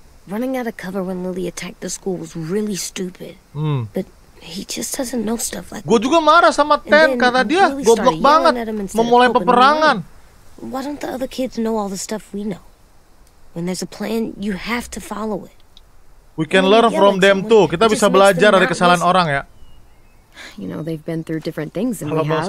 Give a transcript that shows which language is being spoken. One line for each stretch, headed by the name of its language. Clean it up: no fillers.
English: Running out of cover when Lily attacked the school was really stupid. But he just doesn't know stuff like.
Indonesian: Gua juga marah sama Ten karena dia goblok banget memulai peperangan.
English: Why don't the other kids know all the stuff we know? When there's a plan, you have to follow it. We can learn from them too.
Indonesian: Kita bisa belajar dari kesalahan orang ya.
English: You know, they've been through different things than we have.